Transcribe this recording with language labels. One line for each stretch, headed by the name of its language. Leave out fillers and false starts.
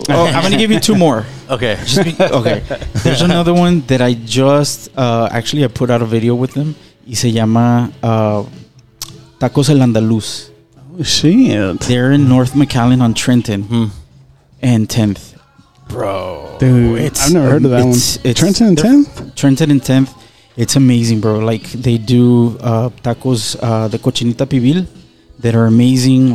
English: Oh, I'm going to give you two more. Okay. Okay. There's another one that I just, actually, I put out a video with them.
Spanish: Y se llama Tacos El Andaluz.
English: Oh, shit. They're in North McAllen on Trenton and 10th. Bro. Dude, I've never heard of that one. Trenton and 10th? Trenton and 10th. It's amazing, bro. Like, they do tacos, the cochinita pibil, that are amazing.